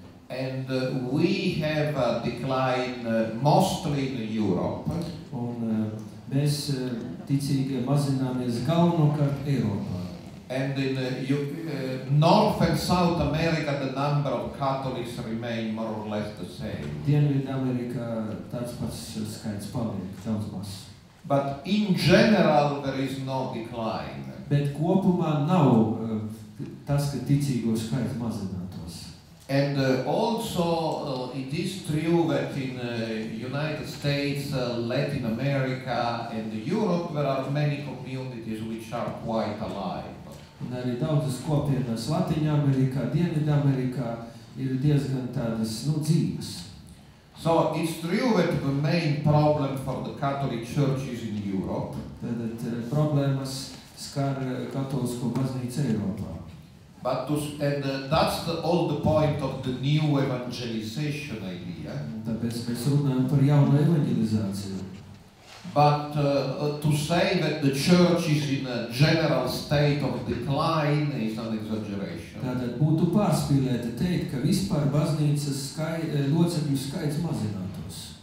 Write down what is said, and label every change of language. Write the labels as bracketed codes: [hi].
[en] And we have a decline mostly in Europe. [lv] Un mēs ticīgi mazināmies galvenokārt Eiropā. [en] And in North and South America the number of Catholics remain more or less the same. [lv] Dienvidamerikā tāds pats skaits paliek, daudz maz. [en] But in general there is no decline. [lv] bet kopumā nav tas, ka ticīgo skaits mazinātos. [en] And also it is true that in United States, Latin America and Europe there are many communities which are quite alive. [lv] Un arī daudzas kopienas Latviņa Amerikā, Dienvidu Amerikā ir diezgan tādas, nu, dzīves. [en] So it's true that the main problem for the Catholic Church is in Europe. [lv] Tātad problēmas skar katolisko baznīcu Eiropā. [en] But and that's the all the point of the new evangelization idea. [lv] Tāpēc mēs runājam par jaunu evangelizāciju. [en] But to say that the church is in a general state of decline is an exaggeration. [lv] Tātad būtu pārspīlēti teikt, ka vispār baznīcas locekļu skaits mazinātos.